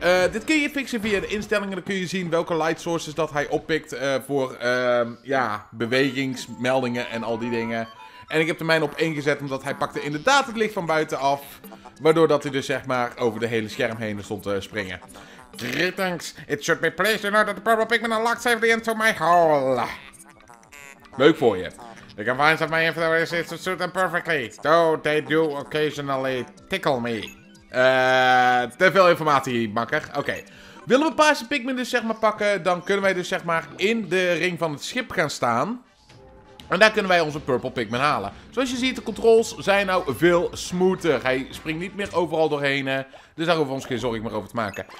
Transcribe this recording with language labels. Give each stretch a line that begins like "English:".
Dutch: Dit kun je fixen via de instellingen, dan kun je zien welke light sources dat hij oppikt voor bewegingsmeldingen en al die dingen. En ik heb de mijne op 1 gezet omdat hij pakte inderdaad het licht van buiten af. Waardoor dat hij dus zeg maar over de hele scherm heen stond te springen.
English: Greetings, it should be pleased to know that the purple Pikmin unlocked safely into my hole.
Dutch: Leuk voor je.
English: They can find that my inventory is to suit them perfectly, though they do occasionally tickle me.
Dutch: Te veel informatie, makker. Oké. Willen we paarse Pikmin dus zeg maar pakken, dan kunnen wij dus zeg maar in de ring van het schip gaan staan. En daar kunnen wij onze purple Pikmin halen. Zoals je ziet, de controls zijn nou veel smoother. Hij springt niet meer overal doorheen. Dus daar hoeven we ons geen zorgen meer over te maken.